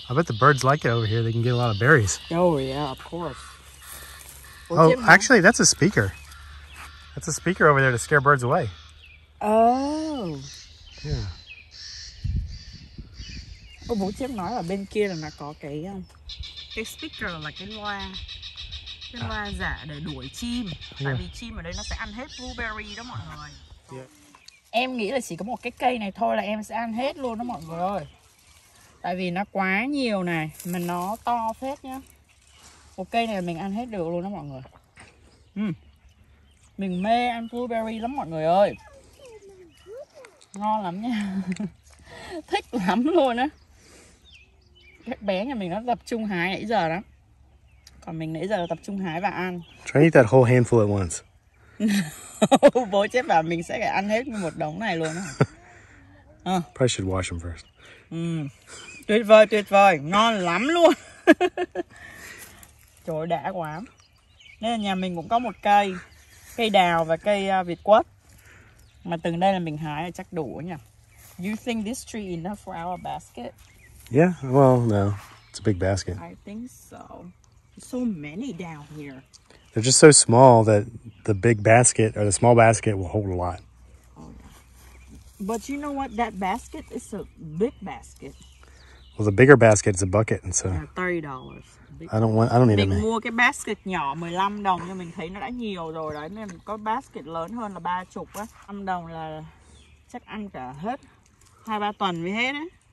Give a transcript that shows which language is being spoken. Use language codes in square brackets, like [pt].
[en] I bet the birds like it over here. They can get a lot of berries. Oh, yeah, of course. Oh, actually, that's a speaker. That's a speaker over there to scare birds away. Oh. Yeah. [vi] Ô, bố chép nói là bên kia là nó có cái speaker, là cái loa giả để đuổi chim. Tại vì chim ở đây nó sẽ ăn hết blueberry đó mọi người. Em nghĩ là chỉ có một cái cây này thôi là em sẽ ăn hết luôn đó mọi người ơi. Tại vì nó quá nhiều này, mà nó to phết nhá. Một cây này mình ăn hết được luôn đó mọi người. Mình mê ăn blueberry lắm mọi người ơi. Ngon lắm nha. Thích lắm luôn á. Các bé nhà mình nó tập trung hái nãy giờ đó. Còn mình nãy giờ là tập trung hái và ăn. [en] Try and eat that whole handful at once. [vi] Bố chết bảo mình sẽ phải ăn hết một đống này luôn á. [en] Probably should wash them first. [vi] Tuyệt vời, tuyệt vời. Ngon lắm luôn. Trời đã quá. Nên là nhà mình cũng có một cây. Cây đào và cây việt quất. Mà từng đây là mình hái là chắc đủ nha. [en] Do you think this tree enough for our basket? Yeah, well, no. It's a big basket. I think so. There's so many down here. They're just so small that the big basket or the small basket will hold a lot. But you know what? That basket is a big basket. Well, the bigger basket is a bucket, and so $30. I don't need it. [vi] Mua cái basket nhỏ 15 đồng nhưng mình thấy nó đã nhiều rồi đấy nên có basket lớn hơn là 30 á. 5 đồng là chắc ăn cả hết 2-3 tuần mới hết đấy.